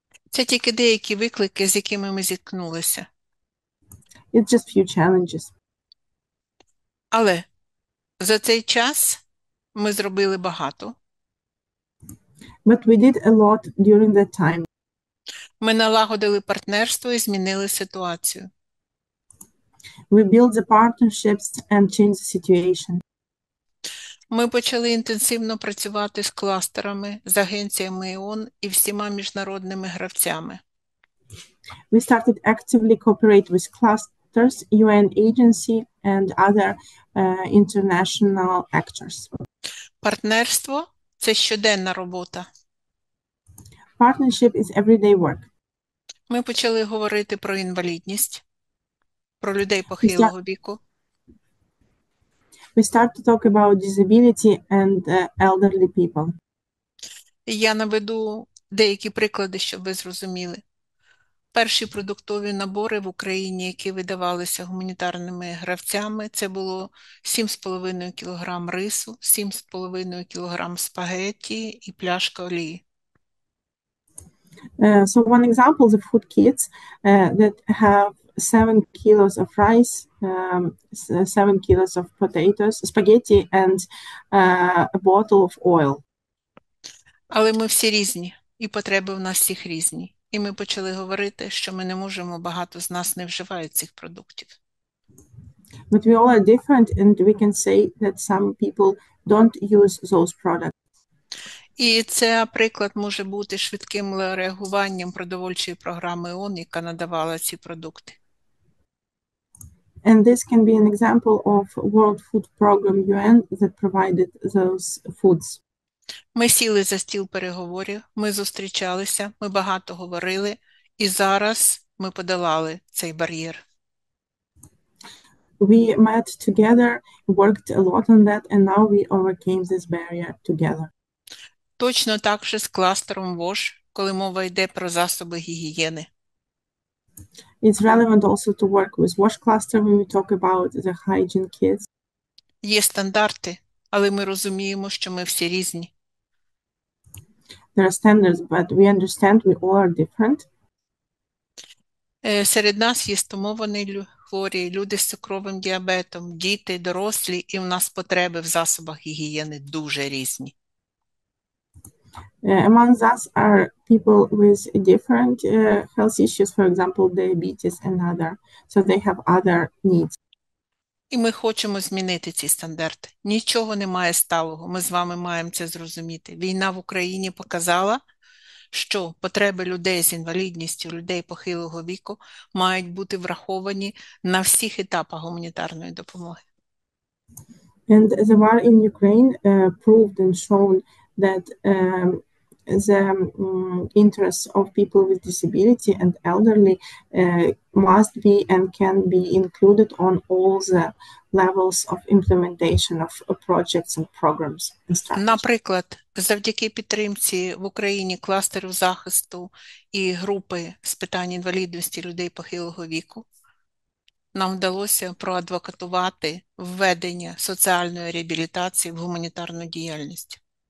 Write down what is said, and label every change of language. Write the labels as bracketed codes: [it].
[uk] Це тільки деякі виклики, з якими ми зіткнулися. [en] It's just few challenges. [uk] Але за цей час ми зробили багато. [en] But we did a lot during that time. [uk] Ми налагодили партнерство і змінили ситуацію. [en] We built the partnerships and changed the situation. [uk] Ми почали інтенсивно працювати з кластерами, з агенціями ООН і всіма міжнародними гравцями. [en] We started actively cooperate with clusters, UN agency and other international actors. [uk] Партнерство – це щоденна робота. [en] Partnership is everyday work. [uk] Ми почали говорити про інвалідність, про людей похилого віку. [en] We start to talk about disability and elderly people. [uk] Я наведу деякі приклади, щоб ви зрозуміли. Перші продуктові набори в Україні, які видавалися гуманітарними гравцями, це було 7,5 кілограм рису, 7,5 кілограм спагетті і пляшка олії. [en] So one example, the food kits that have 7 kilos of rice, 7 kilos of potatoes, spaghetti and a bottle of oil. [uk] Але ми всі різні, і потреби в нас всіх різні. І ми почали говорити, що ми не можемо, багато з нас не вживають цих продуктів. [en] But we all are different and we can say that some people don't use those products. [uk] І це приклад може бути швидким реагуванням продовольчої програми ООН, яка надавала ці продукти. [en] And this can be an example of World Food Program UN that provided those foods. [uk] Ми сіли за стіл переговорів, ми зустрічалися, ми багато говорили, і зараз ми подолали цей бар'єр. [en] We met together, worked a lot on that, and now we overcame this barrier together. [uk] Точно так же з кластером ВОЖ, коли мова йде про засоби гігієни. [en] It's relevant also to work with ВОЖ cluster when we talk about the hygiene kits. [uk] Є стандарти, але ми розуміємо, що ми всі різні. [en] There are standards, but we understand we all are different. [uk] Серед нас є стомовані хворі, люди з цукровим діабетом, діти, дорослі, і в нас потреби в засобах гігієни дуже різні. [en] Among us are people with different health issues, for example, diabetes and other. So they have other needs. [uk] І ми хочемо змінити ці стандарти. Нічого немає сталого. Ми з вами маємо це зрозуміти. Війна в Україні показала, що потреби людей з інвалідністю, людей похилого віку мають бути враховані на всіх етапах гуманітарної допомоги. [en] And the war in Ukraine proved and shown that the interests of people with disability and elderly must be and can be included on all the levels of implementation of projects and programs and strategies. [uk] Наприклад, завдяки підтримці в Україні кластерів захисту і групи з питань інвалідності людей похилого віку, нам вдалося проадвокатувати введення соціальної реабілітації в гуманітарну діяльність.